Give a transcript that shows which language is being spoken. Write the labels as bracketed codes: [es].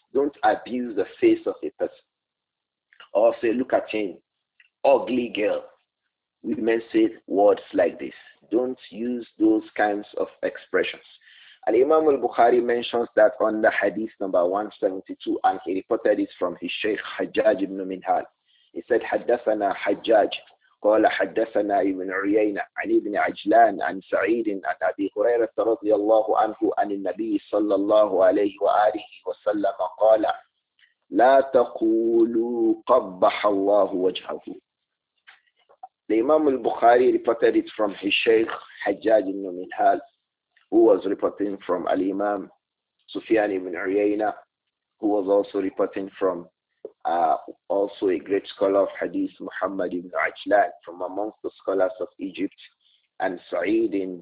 [en] Don't abuse the face of a person. Or say, look at him, ugly girl. Women say words like this. Don't use those kinds of expressions. And Imam al-Bukhari mentions that on the hadith number 172, and he reported it from his Shaykh Hajjaj ibn Minhal. He said, [ar] حدثنا حجاج قال حدثنا ابن عيينة عن ابن عجلان عن سعيد عن أبي هريرة رضي الله عنه عن النبي صلى الله عليه وآله وسلم قال لا تقولوا قبح الله وجهه. [en] The Imam al-Bukhari reported it from his Shaykh Hajjaj ibn Minhal, who was reporting from al-Imam Sufyan ibn عيينة, who was also reporting from also a great scholar of Hadith, Muhammad ibn Ajlan, from amongst the scholars of Egypt, and Sa'id